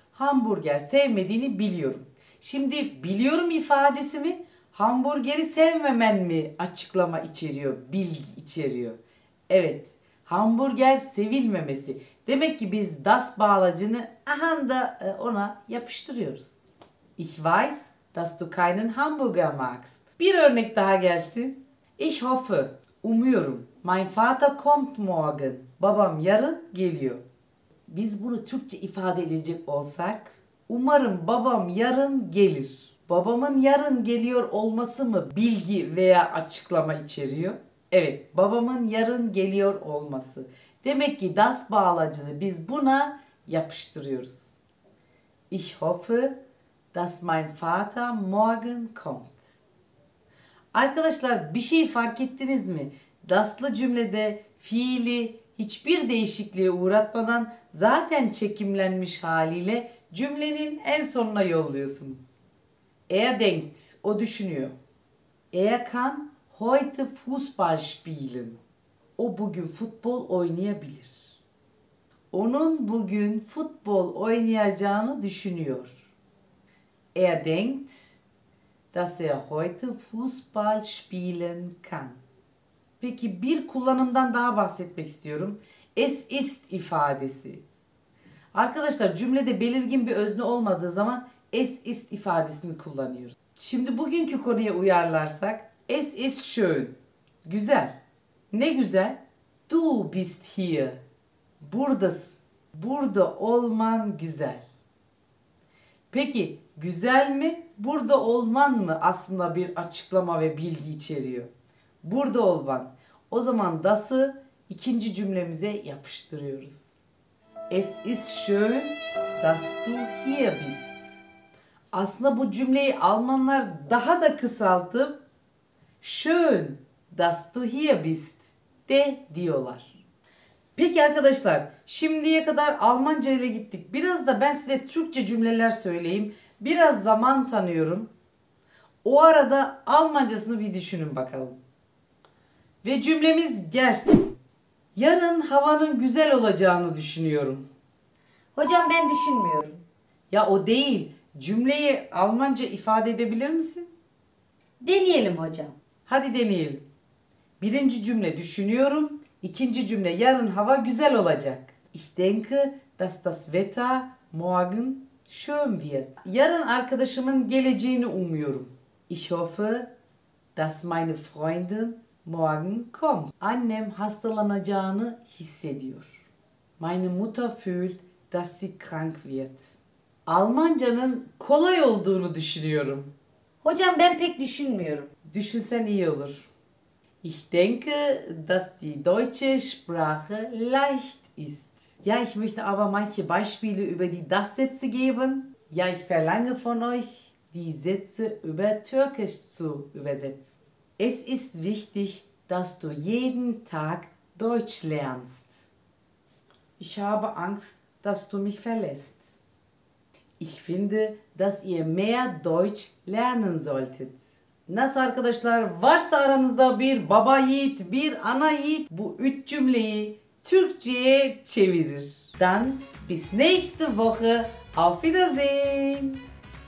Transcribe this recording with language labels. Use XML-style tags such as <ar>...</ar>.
<tr>Hamburger sevmediğini biliyorum. Şimdi biliyorum ifadesi mi, hamburgeri sevmemen mi açıklama içeriyor, bilgi içeriyor? Evet, hamburger sevilmemesi. Demek ki biz das bağlacını aha da ona yapıştırıyoruz.</tr> <de>Ich weiß, dass du keinen Hamburger magst.</de> <tr>Bir örnek daha gelsin.</tr> <de>Ich hoffe,</de> <tr>umuyorum.</tr> <de>Mein Vater kommt morgen.</de> <tr>Babam yarın geliyor. Biz bunu Türkçe ifade edecek olsak, umarım babam yarın gelir. Babamın yarın geliyor olması mı bilgi veya açıklama içeriyor? Evet, babamın yarın geliyor olması. Demek ki das bağlacını biz buna yapıştırıyoruz.</tr> <de>Ich hoffe, dass mein Vater morgen kommt.</de> <tr>Arkadaşlar bir şey fark ettiniz mi? Daslı cümlede fiili hiçbir değişikliğe uğratmadan zaten çekimlenmiş haliyle cümlenin en sonuna yolluyorsunuz.</tr> <de>Er denkt,</de> <tr>o düşünüyor.</tr> <de>Er kann heute Fußball spielen.</de> <tr>O bugün futbol oynayabilir. Onun bugün futbol oynayacağını düşünüyor.</tr> <de>Er denkt, dass er heute Fußball spielen kann.</de> <tr>Peki bir kullanımdan daha bahsetmek istiyorum. Es ist ifadesi. Arkadaşlar cümlede belirgin bir özne olmadığı zaman es ist ifadesini kullanıyoruz. Şimdi bugünkü konuya uyarlarsak</tr> <de>es ist schön.</de> <tr>Güzel. Ne güzel?</tr> <de>Du bist hier.</de> <tr>Buradasın. Burada olman güzel. Peki güzel mi, burada olman mı aslında bir açıklama ve bilgi içeriyor? Burada olman. O zaman das'ı ikinci cümlemize yapıştırıyoruz.</tr> <de>Es ist schön, dass du hier bist.</de> <tr>Aslında bu cümleyi Almanlar daha da kısaltıp</tr> <de>schön, dass du hier bist</de> <tr>de diyorlar. Peki arkadaşlar, şimdiye kadar Almanca ile gittik. Biraz da ben size Türkçe cümleler söyleyeyim. Biraz zaman tanıyorum. O arada Almancasını bir düşünün bakalım. Ve cümlemiz gelsin. Yarın havanın güzel olacağını düşünüyorum. Hocam ben düşünmüyorum. Ya o değil. Cümleyi Almanca ifade edebilir misin? Deneyelim hocam. Hadi deneyelim. Birinci cümle düşünüyorum. İkinci cümle yarın hava güzel olacak.</tr> <de>Ich denke, dass das Wetter morgen schön wird.</de> <tr>Yarın arkadaşımın geleceğini umuyorum.</tr> <de>Ich hoffe, dass meine Freundin morgen kommt.</de> <tr>Annem hastalanacağını hissediyor.</tr> <de>Meine Mutter fühlt, dass sie krank wird.</de> <tr>Almancanın kolay olduğunu düşünüyorum. Hocam ben pek düşünmüyorum. Düşünsen iyi olur.</tr> <de>Ich denke, dass die deutsche Sprache leicht ist. Ja, ich möchte aber manche Beispiele über die Das-Sätze geben. Ja, ich verlange von euch, die Sätze über Türkisch zu übersetzen. Es ist wichtig, dass du jeden Tag Deutsch lernst. Ich habe Angst, dass du mich verlässt. Ich finde, dass ihr mehr Deutsch lernen solltet.</de> <tr>Nasıl arkadaşlar? Varsa aranızda bir baba yiğit, bir ana yiğit bu üç cümleyi Türkçe'ye çevirir.</tr> <de>Dann bis nächste Woche. Auf Wiedersehen.</de>